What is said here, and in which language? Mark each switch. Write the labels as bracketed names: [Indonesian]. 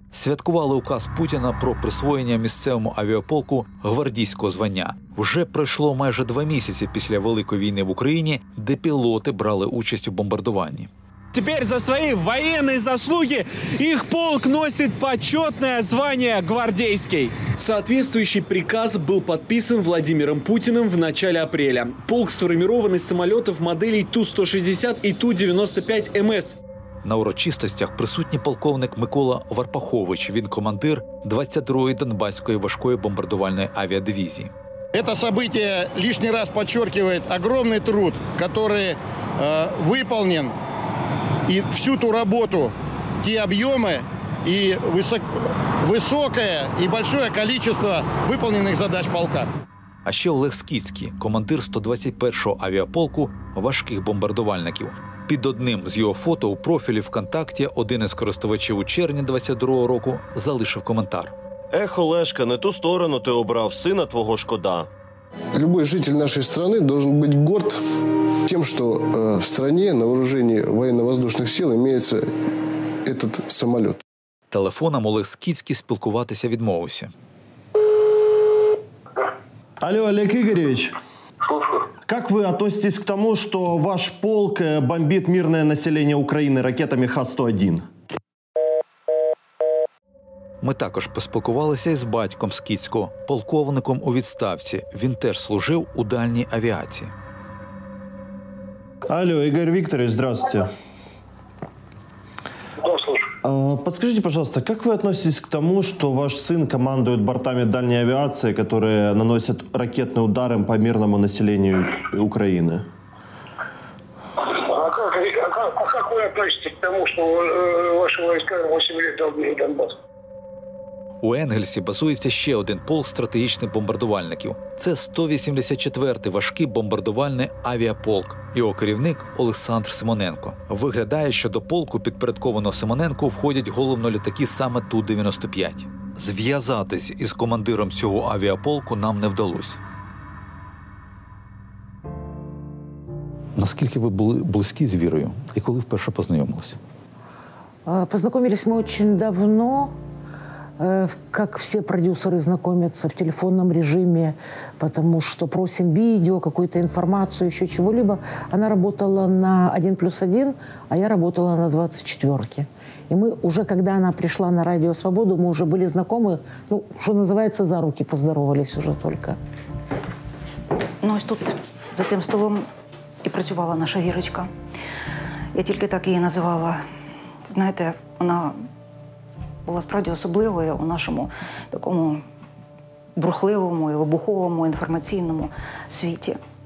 [Ukrainian] Святкували указ Путіна про присвоєння місцевому авіаполку гвардійського звання. Вже пройшло майже два місяці після великої війни в Україні, де пілоти брали участь у бомбардуванні. Тепер за свої воєнні заслуги їх полк носить почетне звання гвардейський. [Russian] Соответствующий приказ был подписан Владимиром Путиным в начале апреля. Полк сформирован из самолетов моделей Ту-160 и Ту-95МС. [Ukrainian] На урочистостях присутній полковник Микола Варпахович. Він командир 22-ї Донбаської важкої бомбардувальної авіадивізії. [Russian] Это событие лишний раз подчеркивает огромный труд, который выполнен, и всю ту работу, те объемы и высокое и большое количество выполненных задач полка. [Ukrainian] А ще Олег Скіцький, командир 121-го авіаполку важких бомбардувальників. Під одним з його фото у профілі ВКонтакті один із користувачів у червні 22-го року залишив коментар. Ех, Олешка, не ту сторону ти обрав, сина твого шкода. [Russian] Любой житель нашей страны должен быть горд тем, что в стране на вооружении военно-воздушных сил имеется этот самолет. [Ukrainian] Телефоном Олег Скіцький спілкуватися відмовився. [Russian] Алло, Олег Игоревич. Слушаю. Как вы относитесь к тому, что ваш полк бомбит мирное население Украины ракетами Х-101? [Ukrainian] Ми також поспілкувалися із батьком Скіцького, полковником у відставці. Він теж служив у дальній авіації. Алло, Ігор Вікторович, [Russian] здравствуйте. Подскажите, пожалуйста, как вы относитесь к тому, что ваш сын командует бортами дальней авиации, которые наносят ракетные удары по мирному населению Украины? А как вы относитесь к тому, что ваши войска 8 лет долбили Донбасс? [Ukrainian] У Енгельсі базується ще один полк стратегічних бомбардувальників. Це 184-й важкий бомбардувальний авіаполк. Його керівник – Олександр Симоненко. Виглядає, що до полку, підпорядкованого Симоненко, входять головно літаки саме Ту-95. Зв'язатись із командиром цього авіаполку нам не вдалося. Наскільки ви були близькі з Вірою? І коли вперше познайомилися? Познайомилися ми дуже давно. [Russian] Как все продюсеры знакомятся в телефонном режиме, потому что просим видео, какую-то информацию, еще чего-либо. Она работала на 1+1, а я работала на 24-ке. И мы уже, когда она пришла на Радио Свободу, мы уже были знакомы, ну, что называется, за руки поздоровались уже только. [Ukrainian] Ну, ось тут за цим столом і працювала наша Вірочка. Я тільки так її називала. Знаєте, вона була справді особливою у нашому такому бурхливому і вибуховому інформаційному світі.